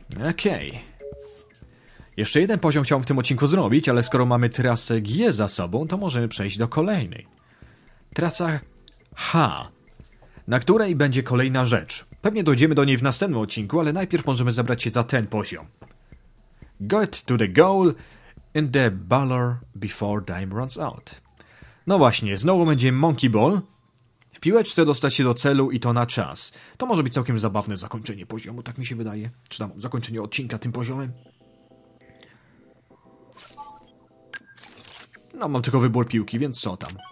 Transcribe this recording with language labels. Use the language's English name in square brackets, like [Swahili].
[Polish] Okej. Jeszcze jeden poziom chciałbym w tym odcinku zrobić, ale skoro mamy trasę G za sobą, to możemy przejść do kolejnej. Trasa H, na której będzie kolejna rzecz. Pewnie dojdziemy do niej w następnym odcinku, ale najpierw możemy zabrać się za ten poziom. [English] Get to the goal in the baller before time runs out. [Polish] No właśnie, znowu będzie Monkey Ball. W piłeczce dostać się do celu i to na czas. To może być całkiem zabawne zakończenie poziomu, tak mi się wydaje. Czy tam zakończenie odcinka tym poziomem? No, mam tylko wybór piłki, więc co tam.